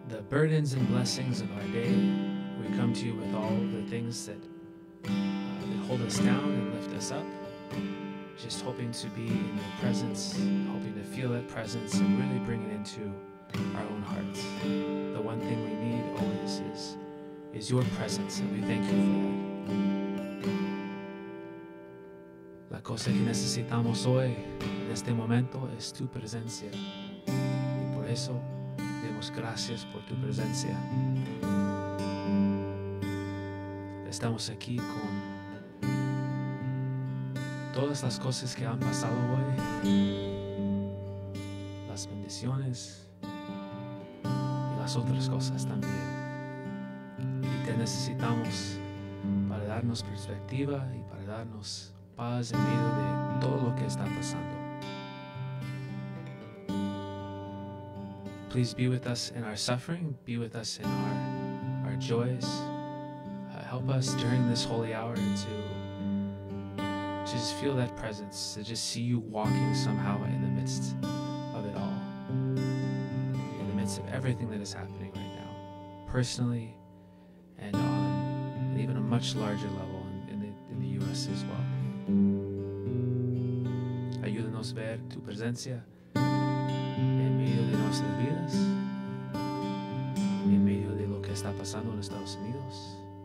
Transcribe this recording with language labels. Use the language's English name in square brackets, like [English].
[English] burdens and blessings of our day, we come to you with all the things that, that hold us down and lift us up, just hoping to be in your presence, hoping to feel that presence and really bring it into our own hearts. The one thing we need always is your presence, and we thank you for that. [Spanish] La cosa que necesitamos hoy, en este momento, es tu presencia. Y por eso, demos gracias por tu presencia. Estamos aquí con todas las cosas que han pasado hoy, las bendiciones y las otras cosas también. Y te necesitamos para darnos perspectiva y para darnos paz en medio de todo lo que está pasando. [English] Please be with us in our suffering, be with us in our joys. Help us during this holy hour to just feel that presence, to just see you walking somehow in the midst of it all, in the midst of everything that is happening right now, personally and on and even a much larger level in the U.S. as well. [Spanish] Ayúdanos ver tu presencia en medio de nuestras vidas, en medio de lo que está pasando en Estados Unidos.